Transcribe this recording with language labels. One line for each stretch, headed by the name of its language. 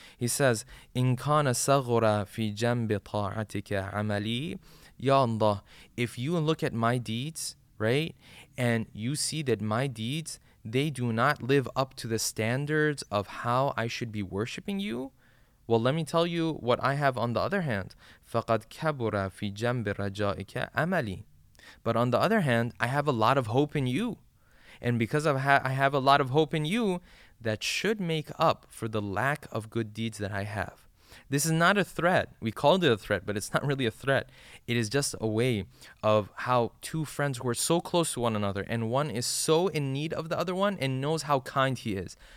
English: He says,
Arabic: إِنْ كَانَ سَغْرَ فِي جَنْبِ طَاعَتِكَ عَمَلِي يَا اللَّهُ.
English: If you look at my deeds, right, and you see that my deeds, they do not live up to the standards of how I should be worshipping you, well, let me tell you what I have on the other hand.
Arabic: فَقَدْ كَبُرَ فِي جَنْبِ رَجَائِكَ عَمَلِي.
English: But on the other hand, I have a lot of hope in you. And because I have a lot of hope in you, that should make up for the lack of good deeds that I have. This is not a threat. We called it a threat, but it's not really a threat. It is just a way of how two friends who are so close to one another, and one is so in need of the other one and knows how kind he is.